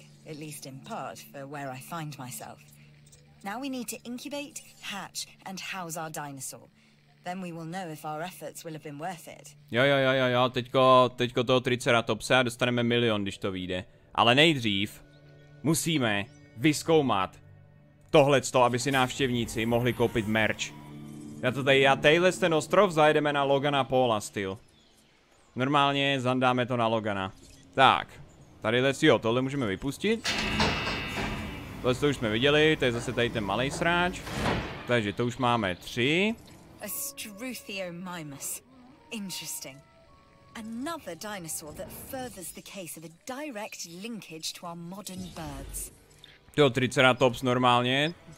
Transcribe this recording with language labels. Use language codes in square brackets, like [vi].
[en] at least in part, for where I find myself. Now we need to incubate, hatch, and house our dinosaur. Then we will know if our efforts will have been worth it. [cs] Jo, teďko toho triceratopse a dostaneme milion, když to vyjde. Ale nejdřív musíme vyzkoumat tohleto, aby si návštěvníci mohli koupit merch. Já tadyhle ten ostrov zajedeme na Logana Paula styl. Normálně zandáme to na Logana. Tak. Tady let's, jo, tohle můžeme vypustit. Tohle to už jsme viděli, to je zase tady ten malý sráč. Takže to už máme tři. [en] A Struthiomimus. Interesting. Another dinosaur that furthers the case of a direct linkage to our modern birds. [cs] To triceratops normálně.